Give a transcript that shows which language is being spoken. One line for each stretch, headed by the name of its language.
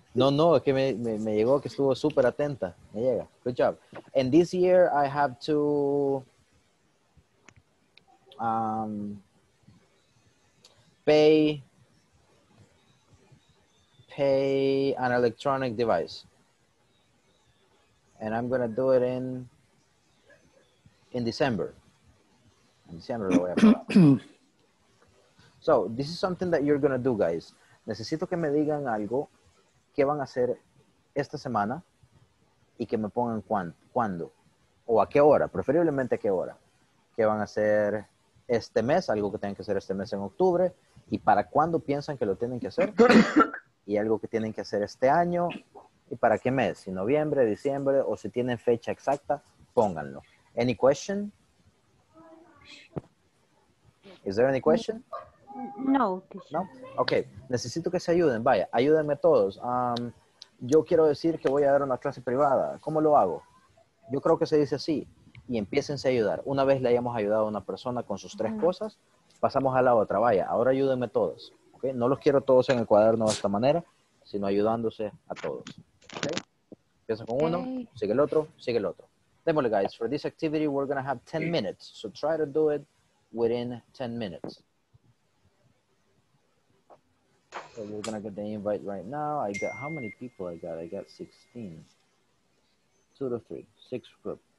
Spanish: No, es que me llegó que estuvo súper atenta. Me llega.
English: Good job. And this year I have to pay an electronic device. And I'm going to do it in December. So, this is something that you're going to do, guys.
Spanish: Necesito que me digan algo que van a hacer esta semana y que me pongan cuándo o a qué hora, preferiblemente a qué hora. Que van a hacer este mes, algo que tienen que hacer este mes en octubre y para cuándo piensan que lo tienen que hacer y algo que tienen que hacer este año y para qué mes, si noviembre, diciembre o si tienen fecha exacta, pónganlo.
English: Any question? Is there any question? No.
Spanish: No? Okay. Necesito que se ayuden. Vaya, ayúdenme todos. Yo quiero decir que voy a dar una clase privada. ¿Cómo lo hago? Yo creo que se dice así. Y empiecen a ayudar. Una vez le hayamos ayudado a una persona con sus tres cosas, pasamos a la otra. Vaya, ahora ayúdenme todos. Okay? No los quiero todos en el cuaderno de esta manera, sino ayudándose a todos. Okay? Empieza con uno, sigue el otro, sigue el otro.
English: Démosle, guys, for this activity, we're going to have 10 minutes. So try to do it within 10 minutes. So we're going to get the invite right now. I got, how many people I got? I got 16. 2 to 3, 6 group.